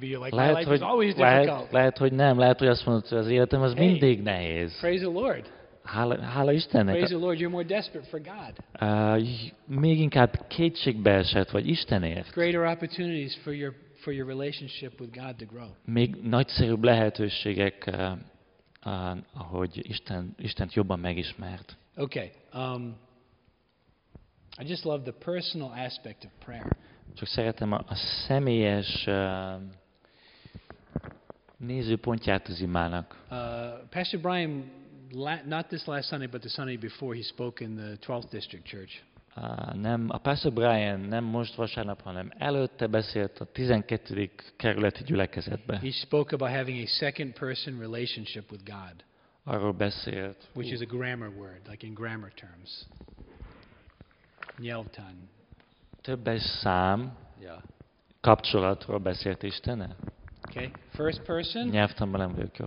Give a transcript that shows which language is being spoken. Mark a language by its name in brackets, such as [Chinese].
[Hungarian] Lehet, hogy azt mondod, hogy az életem az mindig nehéz. [English] Praise the Lord. [Hungarian] Hála Istennek. [English] Praise the Lord, you're more desperate for God. [Hungarian] Még inkább kétségbe esett vagy Istenért. [English] Greater opportunities for your relationship with God to grow. [Hungarian] Még nagyszerűbb lehetőségek ahogy Istent jobban megismert. [English] Okay. I just love the personal aspect of prayer. [Hungarian] Csak szeretem a személyes nézőpontját az imának. [English] Pastor Brian, not this last Sunday, but the Sunday before, he spoke in the 12th District Church. [Hungarian] Nem, a Pastor Brian nem most vasárnap, hanem előtte beszélt a 12. kerületi gyülekezetbe. [English] He spoke about having a second person relationship with God. [Hungarian] Arról beszélt. [English] Which is a grammar word, like in grammar terms. [Hungarian] Nyelvtan. Többes szám. [English] Yeah. [Hungarian] Kapcsolatról beszélt Istene. [English] Okay, first person. [Hungarian] Nyelvtanban nem vagyok jó.